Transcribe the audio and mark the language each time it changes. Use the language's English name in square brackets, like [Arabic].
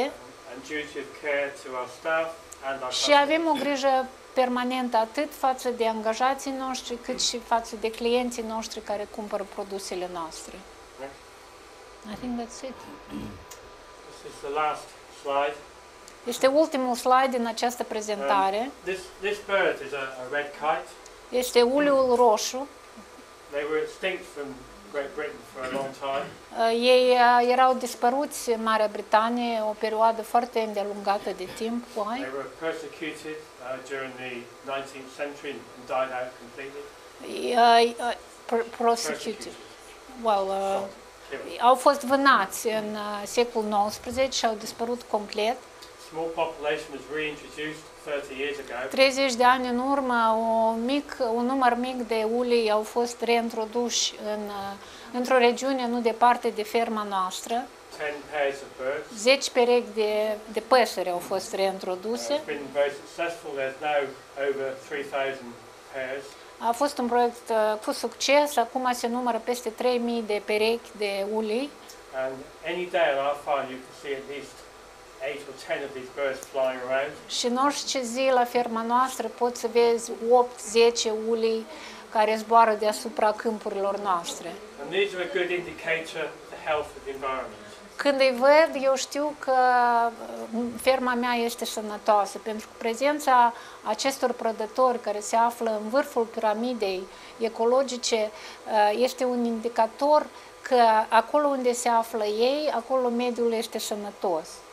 [English] and duty of care to our staff and our [Romanian] și avem o grijă permanent atât față de angajații noștri, cât și față de clienții noștri care cumpără produsele noastre. [English] I think that's it. This is the last slide. [Romanian] Este ultimul slide din această prezentare. [English] This bird is a red kite. [Romanian] Este uliul roșu. [English] They were extinct from Great Britain for a long time. [Romanian] Ei erau dispăruți în Marea Britanie o perioadă foarte îndelungată de timp. [English] Why? They were persecuted during the 19th century and died out completely. Persecuted. [Romanian] Well, au fost vânați în secolul 19 și au dispărut complet. [English] Small population was reintroduced 30 years ago. [Romanian] 30 de ani în urmă, un număr mic de ulei au fost reintroduși într-o regiune nu departe de ferma noastră. [English] 10 pairs of birds. [Romanian] 10 perechi de păsări au fost reintroduse. [English] It's been very successful. There's now over 3,000 pairs. [Romanian] A fost un proiect cu succes, acum se numără peste 3000 de perechi de ulei. [English] And any day on our farm you can see at least 8 or 10 of these birds flying around. [Romanian] Și în orice zi la ferma noastră poți să vezi 8-10 ulei care zboară deasupra câmpurilor noastre. [English] And these are a good indicator of the health of the environment. [Romanian] Când îi văd, eu știu că ferma mea este sănătoasă, pentru că prezența acestor prădători care se află în vârful piramidei ecologice este un indicator că acolo unde se află ei, acolo mediul este sănătos.